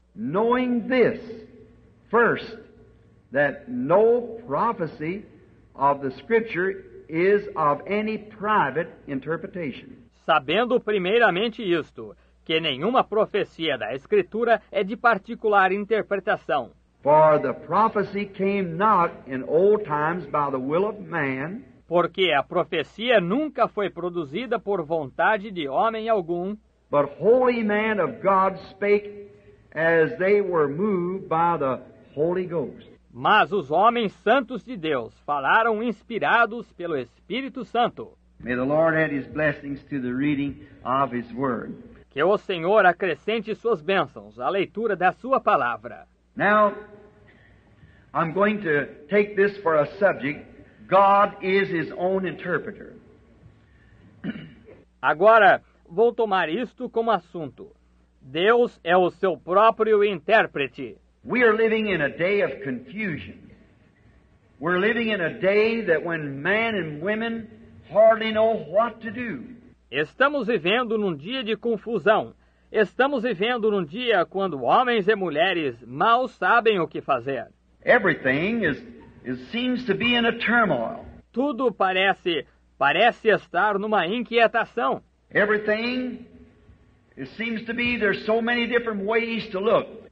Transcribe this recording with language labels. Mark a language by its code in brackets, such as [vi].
[en] Knowing this, first, that no prophecy of the Scripture is of any private interpretation. [pt] Sabendo primeiramente isto, que nenhuma profecia da Escritura é de particular interpretação. [en] For the prophecy came not in old times by the will of man. [pt] Porque a profecia nunca foi produzida por vontade de homem algum. [en] But holy men of God spake as they were moved by the Holy Ghost. [pt] Mas os homens santos de Deus falaram inspirados pelo Espírito Santo. [en] May the Lord add his blessings to the reading of his word. [pt] Que o Senhor acrescente suas bênçãos à leitura da sua palavra. [en] Now, I'm going to take this for a subject. God is his own interpreter. [pt] Agora, vou tomar isto como assunto. Deus é o seu próprio intérprete. [en] We are living in a day of confusion. We're living in a day that when men and women hardly know what to do. [pt] Estamos vivendo num dia de confusão. Estamos vivendo num dia quando homens e mulheres mal sabem o que fazer. [en] Everything seems to be in a turmoil. [pt] Tudo parece estar numa inquietação. [en] Everything seems to be there's so many different ways to look.